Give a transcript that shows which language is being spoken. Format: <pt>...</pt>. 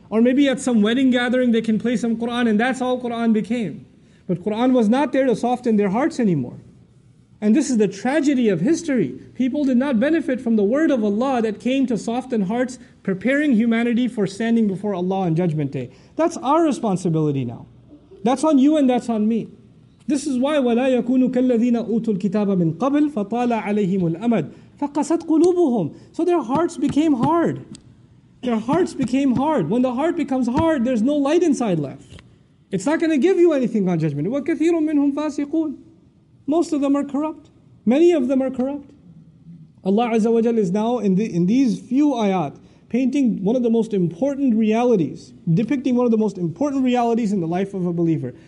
<en>Or maybe at some wedding gathering they can play some Qur'an and that's all Qur'an became. But Qur'an was not there to soften their hearts anymore. And this is the tragedy of history. People did not benefit from the word of Allah that came to soften hearts, preparing humanity for standing before Allah on Judgment Day. That's our responsibility now. That's on you and that's on me. This is why</en> <ar>وَلَا يَكُونُ كَالَّذِينَ أُوتُوا الْكِتَابَ مِنْ قَبْلِ فَطَالَ عَلَيْهِمُ الْأَمَدِ فَقَسَتْ قُلُوبُهُمْ.</ar> <en>So their hearts became hard. Their hearts became hard. When the heart becomes hard, there's no light inside left. It's not going to give you anything on judgment.</en> <ar>وَكَثِيرٌ مِّنْهُمْ فَاسِقُونَ.</ar> <en>Most of them are corrupt. Many of them are corrupt. Allah Azza wa Jal is now in these few ayat painting one of the most important realities, depicting one of the most important realities in the life of a believer.</en>